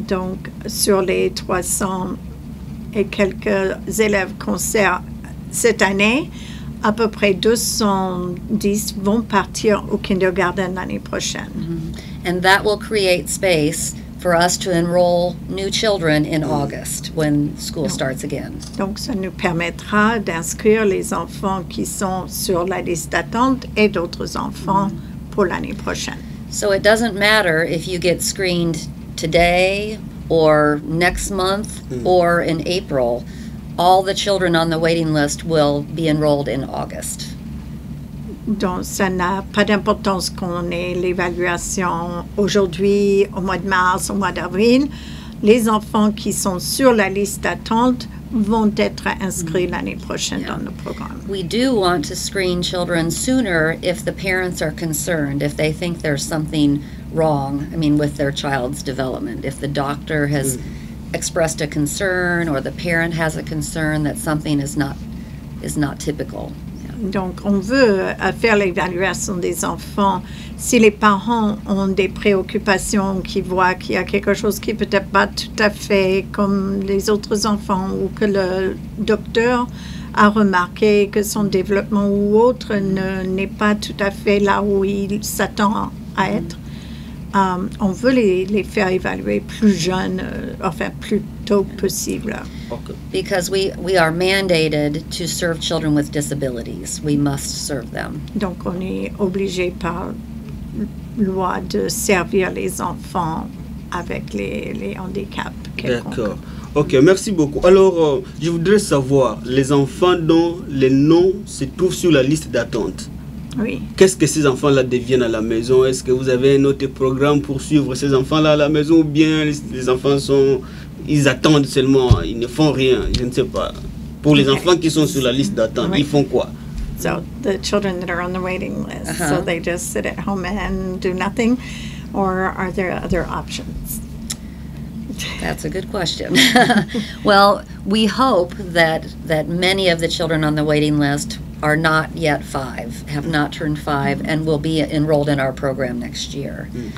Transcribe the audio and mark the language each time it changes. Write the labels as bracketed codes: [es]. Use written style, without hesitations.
[fr] Donc, sur les 300 et quelques élèves qu'on sert cette année, à peu près 210 vont partir au kindergarten l'année prochaine. Mm-hmm. [en] And that will create space for us to enroll new children in August when school starts again. [fr] Donc ça nous permettra d'inscrire les enfants qui sont sur la liste d'attente et d'autres enfants mm-hmm. pour l'année prochaine. [en] So it doesn't matter if you get screened today or next month mm-hmm. or in April, all the children on the waiting list will be enrolled in August. [fr] Donc, ça n'a pas d'importance qu'on ait l'évaluation aujourd'hui, au mois de mars, au mois d'avril. Les enfants qui sont sur la liste d'attente vont être inscrits mm-hmm. l'année prochaine yeah. dans le programme. [en] We do want to screen children sooner if the parents are concerned, if they think there's something wrong, I mean, with their child's development. If the doctor has mm-hmm. expressed a concern or the parent has a concern that something is not typical. [fr] Donc, on veut faire l'évaluation des enfants si les parents ont des préoccupations, qu'ils voient qu'il y a quelque chose qui peut-être pas tout à fait comme les autres enfants ou que le docteur a remarqué que son développement ou autre n'est pas tout à fait là où il s'attend à être. on veut les faire évaluer plus jeunes, enfin plus tôt possible. [en] Because we are mandated to serve children with disabilities. We must serve them. [fr] Donc on est obligé par loi de servir les enfants avec les handicaps quelconques. D'accord. OK, merci beaucoup. Alors, je voudrais savoir, les enfants dont les noms se trouvent sur la liste d'attente, oui. Qu'est-ce que ces enfants-là deviennent à la maison? Est-ce que vous avez un autre programme pour suivre ces enfants-là à la maison ou bien les enfants sont... Ils attendent seulement, ils ne font rien, je ne sais pas. Pour les enfants qui sont sur la liste d'attente, ils font quoi? [en] So, the children that are on the waiting list, so they just sit at home and do nothing? Or are there other options? That's a good question. Well, we hope that many of the children on the waiting list are not yet five, have not turned five, and will be enrolled in our program next year.